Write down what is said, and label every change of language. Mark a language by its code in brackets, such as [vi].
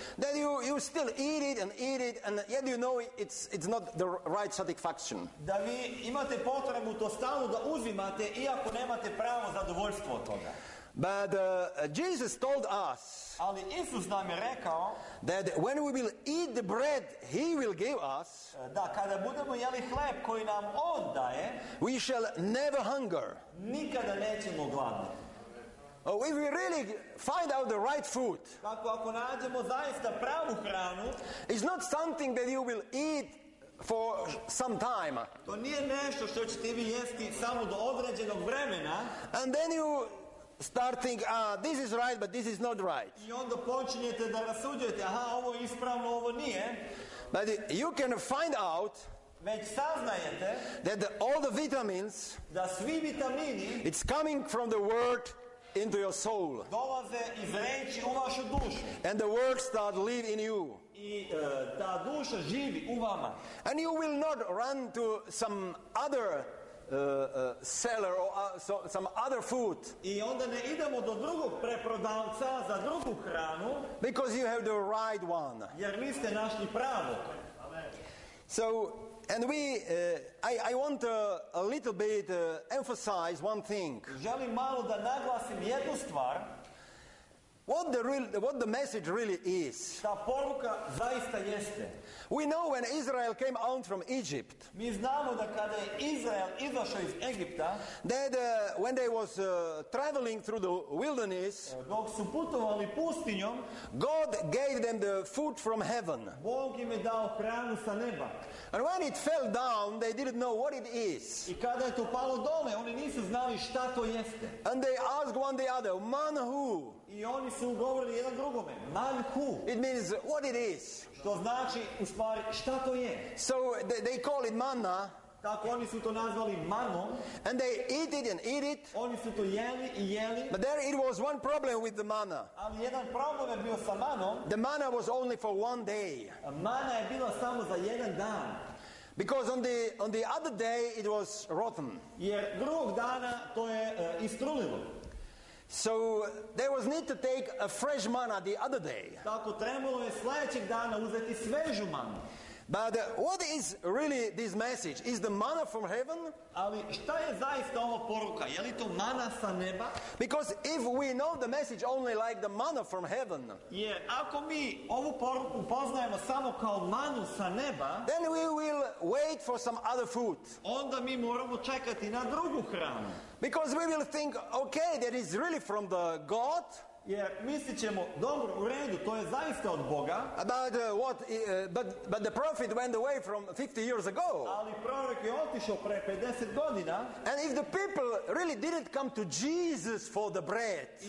[en] That you still eat it and eat it, and yet you know it's not the right satisfaction. [sr] Da vi imate potrebu to stalno da uzimate, iako nemate pravo zadovoljstvo od toga. [en] But Jesus told us. [sr] Ali Isus nam je rekao. [en] That when we will eat the bread He will give us. [sr] Da kada budemo jeli hleb koji nam On daje. [en] We shall never hunger. [sr] Nikada nećemo gladni. [en] Oh, if we really find out the right food, [sr] ako nađemo zaista pravu hranu, [en] it's not something that you will eat for some time. [sr] To nije nešto što ćete vi jesti samo do određenog vremena. [en] And then you start thinking, this is right, but this is not right. [sr] I onda počinjete da rasuđujete, ovo je ispravno, ovo nije. [en] But you can find out. [sr] Već saznajete [en] that all the vitamins, [sr] da svi vitamini, [en] it's coming from the word. Into your soul. [sr] Dolaze iz reči u vašu dušu. [en] And the works that live in you. [sr] I ta duša živi u vama. [en] And you will not run to some other seller or some other food. [sr] I onda ne idemo do drugog preprodavca za drugu hranu. [en] Because you have the right one. [sr] Jer mi ste našli pravo. [en] So, and we, I want to a little bit emphasize one thing. [sr] Želim malo da naglasim jednu stvar. [en] What the message really is. [sr] Ta poruka zaista jeste. [en] We know when Israel came out from Egypt. [sr] Mi znamo da kada je Izrael izašao iz Egipta. [en] That when they was traveling through the wilderness. [sr] Dok su putovali pustinjom. [en] God gave them the food from heaven. [sr] Bog im je dao hranu sa neba. [en] And when it fell down, they didn't know what it is. [sr] I kada je to palo dole, oni nisu znali šta to jeste. [en] And they asked one the other, man who? [sr] I oni su govorili jedan drugome, [en] man who? It means what it is. [sr] Što znači, u stvari, šta to je? [en] So they call it manna. [sr] Tako oni su to nazvali manom. [en] And they eat it and eat it. [sr] Oni su to jeli i jeli. [en] But there it was one problem with the manna. [sr] Ali jedan problem je bio sa manom. [en] The manna was only for one day. [sr] Mana je bila samo za jedan dan. [en] Because on the other day it was rotten. [sr] Jer drugog dana to je istrulilo. [en] So there was need to take a fresh manna the other day. [sr] Tako trebalo je sljedećeg dana uzeti svežu manu. [en] But what is really this message? Is the manna from heaven? [sr] Ali šta je zaista ova poruka? Je li to mana sa neba? [en] Because if we know the message only like the manna from heaven. [sr] Jer ako mi ovu poruku poznajemo samo kao manu sa neba. [en] Then we will wait for some other food. [sr] Onda mi moramo čekati na drugu hranu. [en] Because we will think, okay, that is really from the God. [sr] Jer mislit ćemo, dobro, u redu, to je zaista od Boga. [en] About what, but the prophet went away from 50 years ago. [sr] Ali prorok je otišao pre 50 godina. [en] And if the people really didn't come to Jesus for the bread.